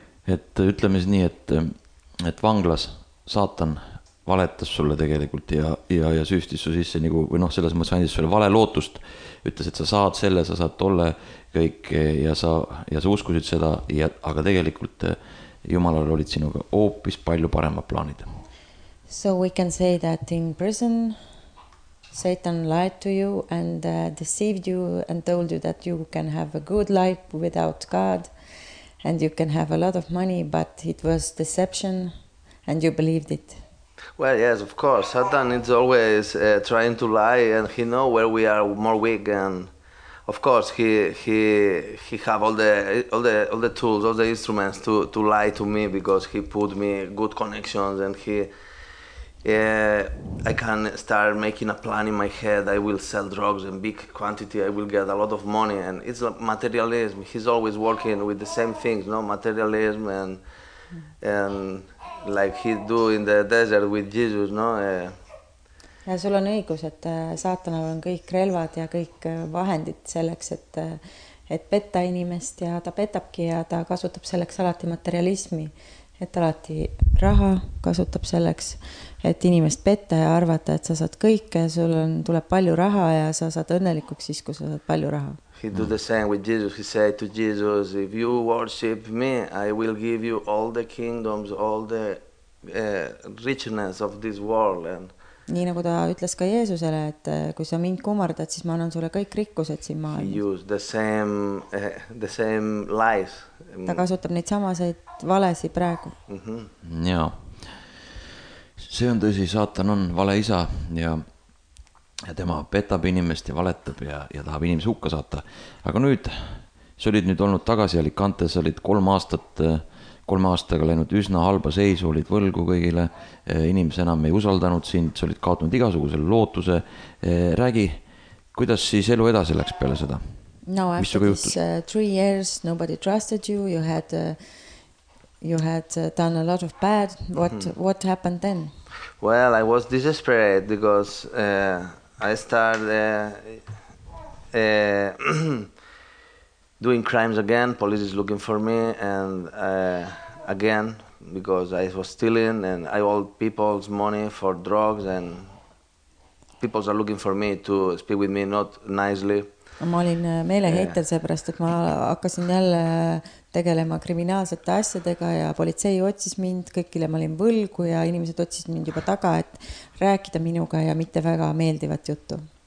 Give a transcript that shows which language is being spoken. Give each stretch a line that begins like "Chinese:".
Estonian: Et ütleme siis nii, et vanglas saatan valetas sulle tegelikult ja süüstis su sisse, nii kui noh, selles ma sain siis sulle vale lootust, ütles, et sa saad selle, sa saad tolle kõik ja sa uskusid seda, ja, aga tegelikult Jumalal olid sinuga hoopis palju paremad plaanid.
English: So we can say that in prison Satan lied to you and deceived you and told you that you can have a good life without God and you can have a lot of money, but it was deception and you believed it. Well, yes, of course. Satan is always trying to lie and he know where we are more weak and of course he have all the tools, all the instruments to lie to me because he put me good connections and I can start making a plan in my head. I will sell drugs in big quantity. I will get a lot of money and it's like materialism. He's always working with the same things, no? Materialism and like he do in the desert with Jesus, no?
Estonian: Ja sul on õigus, et saatanal on kõik relvad ja kõik vahendid selleks, et petta inimest ja ta petabki ja ta kasutab selleks alati materialismi, et alati raha kasutab selleks, et inimest petta ja arvata, et sa saad kõike ja sul on, tuleb palju raha ja sa saad õnnelikuks siis, kui sa saad palju raha.
English: He do the same with Jesus. He said to Jesus, if you worship me, I will give you all the kingdoms, all the richness of this world. And
Estonian: nii nagu ta ütles ka Jeesusele, et kui sa mind kumardad, siis ma annan sulle kõik rikkused siin maailmas.
English: He used the same lies.
Estonian: Ta kasutab neid samaseid valesi praegu. Mm-hmm. Jaa. See on tõsi, saatan on vale isa ja tema petab inimest ja valetab ja tahab inimese hukka saata. Aga nüüd, sa olid nüüd olnud tagasi, olid 3 aastat kolme aastaga läinud üsna halba seisu, olid võlgu kõigile, inimese enam ei usaldanud sind, sa olid kaotunud igasugusele lootuse. Räägi, kuidas siis elu edasi läks peale seda?
English: No, after this three years, nobody trusted you, you had done a lot of bad. What happened then? Well, I was desperate because I started doing crimes again. Police is looking for me and again because I was stealing and I owed people's money for drugs and people are looking for me to speak with me not nicely.
Estonian: Ma olin meeleheitel seepärast, et ma hakkasin jälle tegelema kriminaalsete asjadega ja politsei otsis mind, kõikile ma olin võlgu ja inimesed otsis mind juba taga, et rääkida minuga ja mitte väga meeldivat juttu.